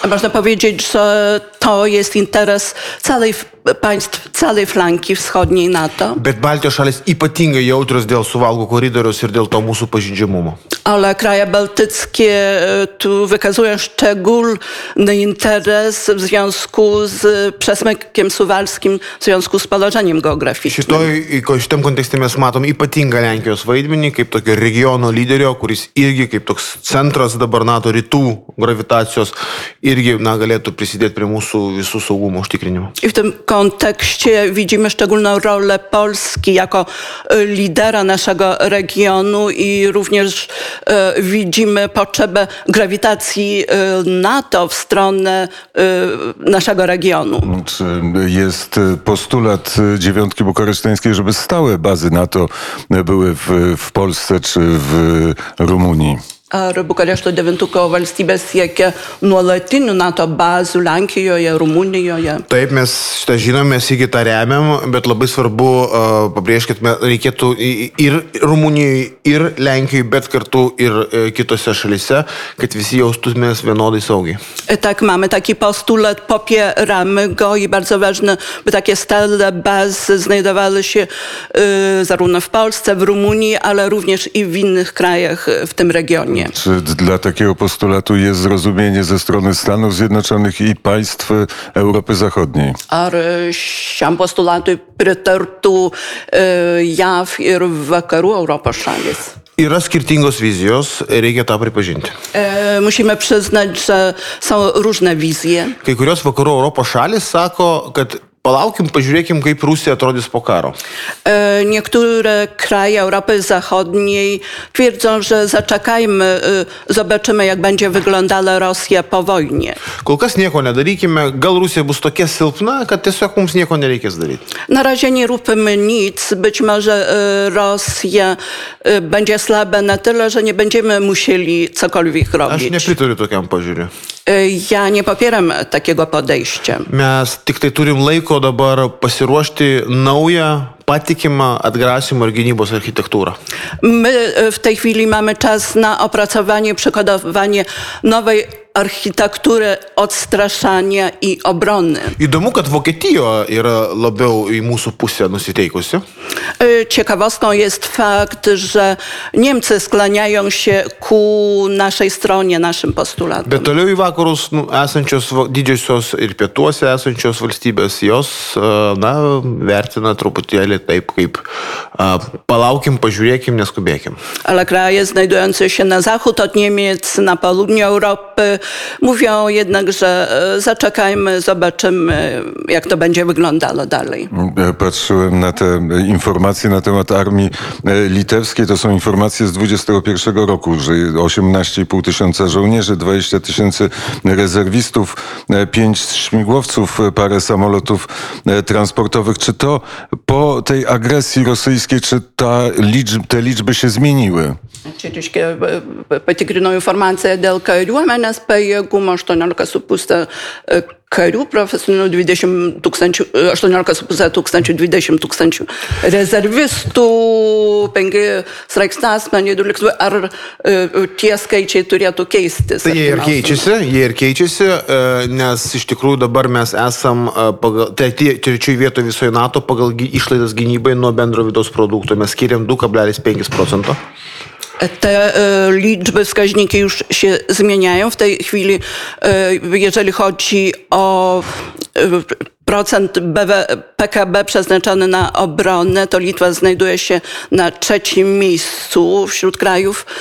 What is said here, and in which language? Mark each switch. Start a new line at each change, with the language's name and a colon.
Polish: Można powiedzieć, że to jest interes całej państw, całej flanki wschodniej NATO.
Lithuanian: Bet Baltijos šalys ypatingai jautrios dėl Suvalkų koridoriaus ir dėl to mūsų pažeidžiamumo.
Polish: Ale kraje bałtyckie tu wykazują szczególny interes w związku z przesmykiem suwalskim, w związku z położeniem geograficznym.
Lithuanian: Šitam kontekste mes matom ypatingą Lenkijos vaidmenį, kaip tokio regiono lyderio, kuris irgi kaip toks centras dabar NATO rytų gravitacijos, irgi na, galėtų prisidėti prie mūsų visų saugumo užtikrinimo.
Polish: I w tym kontekście widzimy szczególną rolę Polski jako lidera naszego regionu i również widzimy potrzebę grawitacji NATO w stronę naszego regionu. Czy jest postulat dziewiątki bukareszteńskiej, żeby stałe bazy NATO były w Polsce czy w Rumunii?
Lithuanian: Ar Bukarešto devintuko valstybės siekia nuolatinių NATO bazų Lenkijoje, Rumunijoje? Taip, mes šitą žinom, mes iki tą remiam, bet labai svarbu pabrėžkit, reikėtų ir Rumunijoje, ir Lenkijoje, bet kartu ir kitose šalyse, kad visi jaustumės vienodai saugiai.
Polish: Tak, mamy taki postulat popieramego i bardzo ważne, by takie stale bazy znajdowały się zarówno w Polsce, w Rumunii, ale również i w innych krajach w tym regionie. Nie. Czy dla takiego postulatu jest zrozumienie ze strony Stanów Zjednoczonych i państw Europy Zachodniej?
Lithuanian: Ar šiam postulatui pritartų JAV ir vakarų Europos šalys? Yra skirtingos vizijos, reikia tą pripažinti. Musime priznać, že savo rūžne vizije. Kai kurios vakarų Europos šalys sako, kad palaukim, pažiūrėkim, kaip Rusija atrodys po karo.
Polish: Niektóre kraje Europy Zachodniej twierdzą, że zaczekajmy, zobaczymy, jak będzie wyglądała Rosja po wojnie.
Lithuanian: Kol kas nieko nedarykime, gal Rusija bus tokia silpna, kad tiesiog mums nieko nereikės daryti.
Polish: Na razie nie róbmy nic, być może Rosja będzie słaba na tyle, że nie będziemy musieli cokolwiek robić.
Lithuanian: Aš nepritariu tokiam požiūriu.
Polish: Ja nie popieram takiego podejścia.
Lithuanian: Mes tik tai turim laiko dabar pasiruošti naują patikimą atgrasymo ir gynybos architektūrą.
Polish: My w tej chwili mamy czas na opracowanie, przygotowanie nowej architektury odstraszania i obrony.
Lithuanian: Įdomu, kad Vokietija yra labiau į mūsų pusę nusiteikusi.
Polish: Ciekawostką jest fakt, że Niemcy skłaniają się ku naszej stronie, naszym postulatom.
Lithuanian: Bet toliau į vakarus nu, esančios didžiosios ir pietuose esančios valstybės, jos na, vertina truputėlį taip, kaip palaukim, pažiūrėkim, neskubėkim.
Polish: Ale kraje znajdujące się na zachód od Niemiec, na południu Europy, mówią jednak, że zaczekajmy, zobaczymy, jak to będzie wyglądało dalej. Patrzyłem na te informacje na temat armii litewskiej. To są informacje z 21 roku, że 18,5 tysiąca żołnierzy, 20 tysięcy rezerwistów, 5 śmigłowców, parę samolotów transportowych. Czy to po tej agresji rosyjskiej, czy ta te liczby się zmieniły?
Lithuanian: Čia patikrinau informaciją dėl kariuomenės pajėgumo 18,5 karių profesionalių, 20 tūkstančių rezervistų, 5 sraigtasparniai, 12, ar tie skaičiai turėtų keistis? Tai jie ir keičiasi, nes iš tikrųjų dabar mes esam pagal trečioj vietoj visoje NATO pagal išlaidas gynybai nuo bendro vidaus produkto. Mes skiriam 2,5%.
Polish: Te liczby, wskaźniki już się zmieniają w tej chwili, jeżeli chodzi o procent PKB przeznaczony na obronę, to Litwa znajduje się na trzecim miejscu wśród krajów.